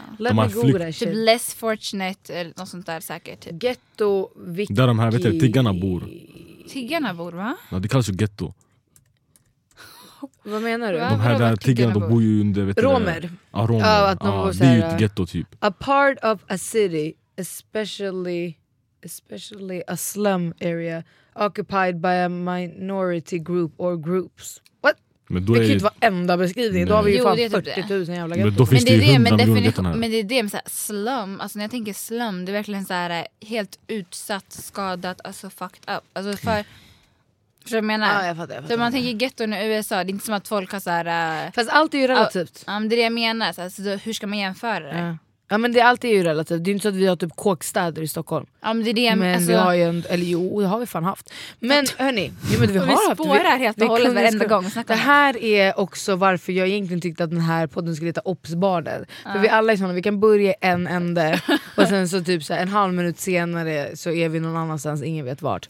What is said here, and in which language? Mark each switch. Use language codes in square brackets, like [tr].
[sv] De har typ [en] less fortunate [sv] eller något sånt där säkert. Typ. Ghetto, Vicky. Där de här, vet du, tiggarna bor. Tiggarna bor, va? Ja, det kallas ju ghetto. Vad menar du? De här tiggarna bor? Bor ju under, vet du. Romer. Ja, romer. Ja, att de bor såhär, det är ju ett ghetto typ. [en] A part of a city, especially a slum area, occupied by a minority group or groups. [sv] Men då det kan ju inte vara enda beskrivning. Nej. Då har vi ju fan 40 000 jävla ghetto. Men, det är det, men det är det med så här slum. Alltså när jag tänker slum, det är verkligen så här helt utsatt, skadat, alltså [en] fucked up. [sv] Alltså för mm. Jag menar, ja, jag fattar. Så man tänker ghetto i USA, det är inte som att folk har så här. Fast allt är ju relativt. Ja, men det är det jag menar. Så här, så då, hur ska man jämföra det? Ja, men det allt är ju relativt. Det är inte så att vi har typ kåkstäder i Stockholm. Ja, men det är det jag menar. Alltså, det har vi fan haft. Men hörni, jo, men vi har vi spårar haft, helt och hållet varenda gång. Det här är också varför jag egentligen tyckte att den här podden skulle heta Opsbarnen. För vi alla är sådana, vi kan börja en ände. Och sen så typ så här, en halv minut senare så är vi någon annanstans, ingen vet vart.